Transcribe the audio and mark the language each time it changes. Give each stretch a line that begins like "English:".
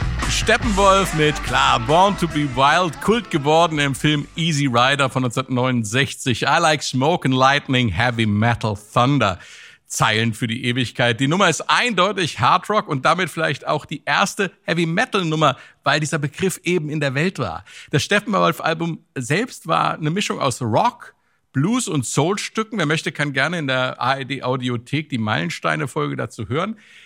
German: Steppenwolf mit klar Born to be Wild, Kult geworden im Film Easy Rider von 1969.
English: I like smoke and lightning, heavy metal, thunder.
German: Zeilen für die Ewigkeit. Die Nummer ist eindeutig Hard Rock und damit vielleicht auch die erste Heavy Metal Nummer, weil dieser Begriff eben in der Welt war. Das Steppenwolf Album selbst war eine Mischung aus Rock, Blues- und Soul-Stücken. Wer möchte, kann gerne in der ARD-Audiothek die Meilensteine-Folge dazu hören.